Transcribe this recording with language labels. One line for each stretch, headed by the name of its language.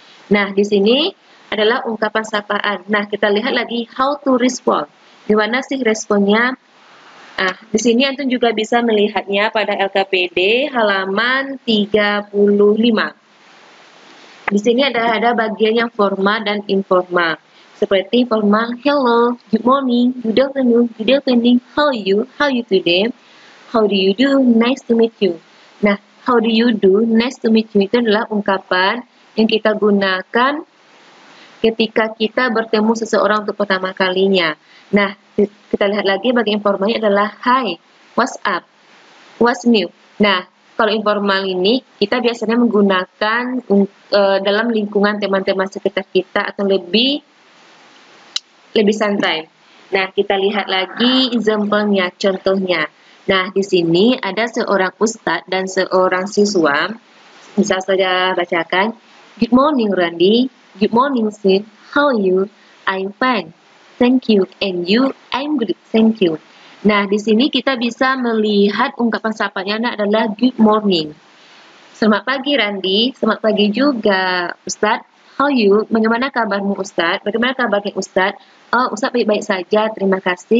Indonesian: Nah, di sini adalah ungkapan sapaan. Nah, kita lihat lagi
English: how to respond.
Indonesian: Gimana sih responnya? Nah, di sini antum juga bisa melihatnya pada LKPD halaman 35. Di sini ada bagian yang formal dan informal. Seperti formal,
English: hello, good morning, good evening, how are you today, how do you do, nice to meet you.
Indonesian: Nah,
English: how do, nice to meet you
Indonesian: itu adalah ungkapan yang kita gunakan ketika kita bertemu seseorang untuk pertama kalinya. Nah, kita lihat lagi bagian informalnya adalah
English: hi, what's up, what's new.
Indonesian: Nah, kalau informal ini kita biasanya menggunakan dalam lingkungan teman-teman sekitar kita atau lebih santai. Nah, kita lihat lagi example-nya, contohnya. Nah, di sini ada seorang ustaz dan seorang siswa. Bisa saja bacakan,
English: good morning Randy, good morning Sid, how are you? I'm fine, thank you, and you? I'm good, thank you.
Indonesian: Nah, di sini kita bisa melihat ungkapan sapaannya adalah
English: good morning.
Indonesian: Selamat pagi, Randy. Selamat pagi juga, Ustaz.
English: How you?
Indonesian: Bagaimana kabarmu, Ustaz? Bagaimana kabarnya, Ustaz? Oh, Ustaz baik-baik saja, terima kasih.